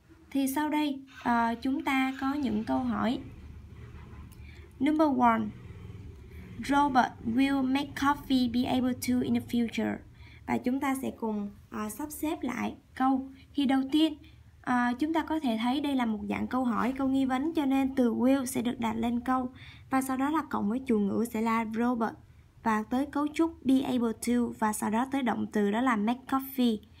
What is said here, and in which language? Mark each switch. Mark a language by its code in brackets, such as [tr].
[vi] Thì sau đây chúng ta có những câu hỏi. [en] Number 1. Robot will make coffee be able to in the future. [vi] Và chúng ta sẽ cùng sắp xếp lại câu. Thì đầu tiên chúng ta có thể thấy đây là một dạng câu hỏi, câu nghi vấn, cho nên từ will sẽ được đặt lên câu. Và sau đó là cộng với chủ ngữ sẽ là robot. Và tới cấu trúc [en] be able to, [vi] và sau đó tới động từ đó là [en] make coffee.